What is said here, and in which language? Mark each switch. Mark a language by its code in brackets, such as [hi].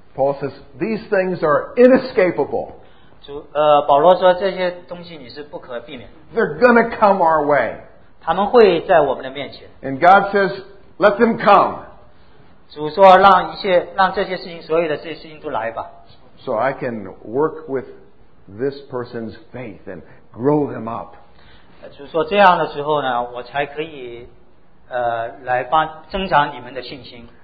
[en] Paul says these things are inescapable， [zh] 保罗说这些东西你是不可避免， [en] they're going to come our way， [zh] 他们会在我们的面前。 [en] And God says, let them come. [zh] 主说让这些事情，所有的这些事情都来吧。 [en] So I can work with this person's faith and grow them up. [zh] 主说这样的时候呢，我才可以来帮增长你们的信心。